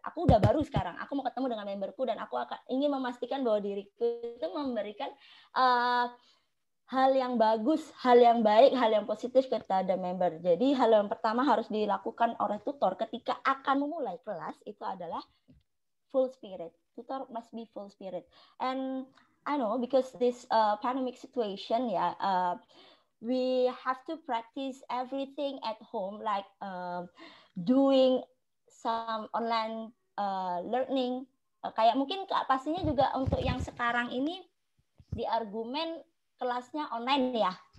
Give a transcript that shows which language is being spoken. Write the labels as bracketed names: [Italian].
[Indonesian] Aku udah baru sekarang, aku mau ketemu dengan memberku dan aku akan ingin memastikan bahwa diriku itu memberikan hal yang bagus, hal yang baik, hal yang positif kepada member. Jadi hal yang pertama harus dilakukan oleh tutor ketika akan memulai kelas itu adalah [English] full spirit. Tutor must be full spirit. And I know because this pandemic situation, yeah, we have to practice everything at home, like doing some online learning. [Indonesian] Kayak mungkin pastinya juga untuk yang sekarang ini di argumen kelasnya online ya.